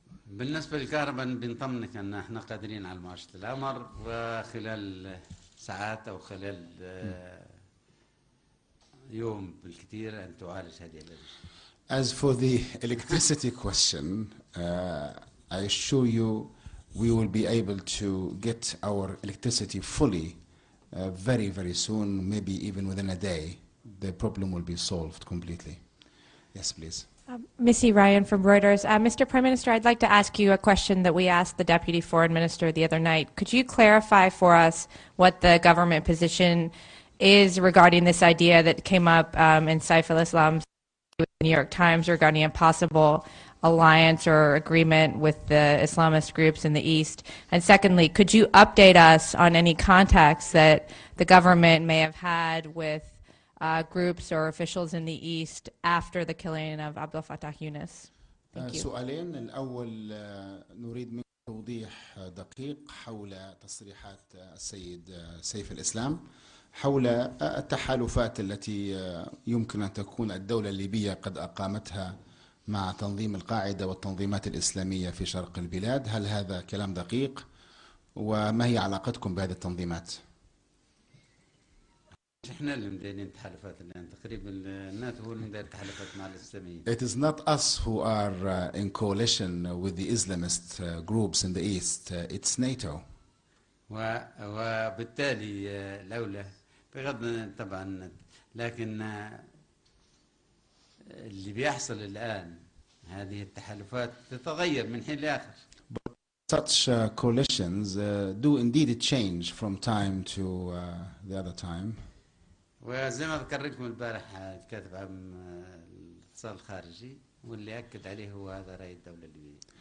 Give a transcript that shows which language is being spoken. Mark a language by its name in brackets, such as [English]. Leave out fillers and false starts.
[Arabic] بالنسبة للكهرباء بنطمنك أن احنا قادرين على معالجة الأمر خلال ساعات أو خلال يوم بالكثير أن تعالج هذه الأزمة. [English] As for the electricity question, I assure you we will be able to get our electricity fully very, very soon, maybe even within a day. The problem will be solved completely. Yes, please. Missy Ryan from Reuters. Mr. Prime Minister, I'd like to ask you a question that we asked the Deputy Foreign Minister the other night. Could you clarify for us what the government position is regarding this idea that came up in Saif al-Islam's New York Times regarding a possible alliance or agreement with the Islamist groups in the East? And secondly, could you update us on any contacts that the government may have had with groups or officials in the East after the killing of Abdel Fattah Yunus? [Arabic] سؤالين. الأول نريد من توضيح دقيق حول تصريحات السيد سيف الإسلام حول التحالفات التي يمكن أن تكون الدولة الليبية قد أقامتها مع تنظيم القاعدة والتنظيمات الإسلامية في شرق البلاد. هل هذا كلام دقيق؟ وما هي علاقتكم بهذه التنظيمات؟ احنا اللي مدينين تحالفات الان تقريبا الناتو هو اللي مدير تحالفات مع الاسلاميين. [English] It is not us who are in coalition with the Islamist groups in the east, it's NATO. [Arabic] وبالتالي لولا بغض طبعا لكن اللي بيحصل الان هذه التحالفات تتغير من حين لاخر. [English] But such coalitions do indeed change from time to the other time. [Arabic] وزي ما ذكرت لكم البارح الكاتب عام الاتصال الخارجي واللي أكد عليه هو هذا رأي الدولة الليبية.